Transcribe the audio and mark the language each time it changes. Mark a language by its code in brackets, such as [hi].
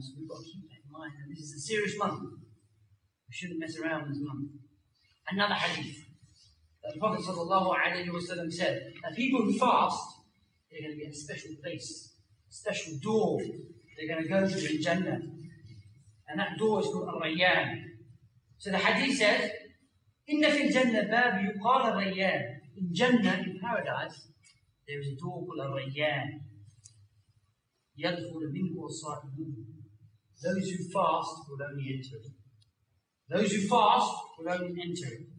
[en] So we've got to keep that in mind. And this is a serious month. We shouldn't mess around this month. Another hadith. The Prophet sallallahu alayhi wa sallam said, that people who fast, they're going to get a special place, a special door they're going to go through in Jannah. And that door is called Ar-Rayyan. So the hadith says, [ar] إِنَّ فِي الْجَنَّةِ بَابِ يُقَالَ الرَّيَّانِ. [en] In Jannah, in paradise, there is a door called Ar-Rayyan. [ar] يَدْخُلَ مِنْهُ وَصَائِمُونَ. [en] Those who fast will only enter. Those who fast will only enter.